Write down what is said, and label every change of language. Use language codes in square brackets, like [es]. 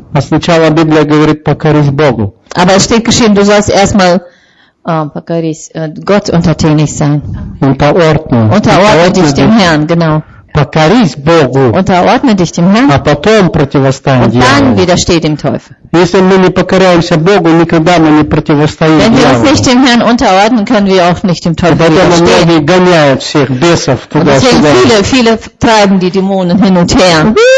[ru] Сначала Библия говорит покорись Богу. [de] Aber es steht geschrieben, du sollst erstmal Gott untertänig sein. Unterordne dich dem Herrn, genau. [ru] Покорись Богу. [de] Unterordne dich dem Herrn. [ru] А потом противостань дьяволу. [de] Dann widersteh dem Teufel. [ru] Если мы не покоряемся Богу, никогда мы не противостоим дьяволу. [de] Wenn wir uns nicht dem Herrn unterordnen, können wir auch nicht dem Teufel widerstehen. Und deswegen viele treiben die Dämonen hin und her.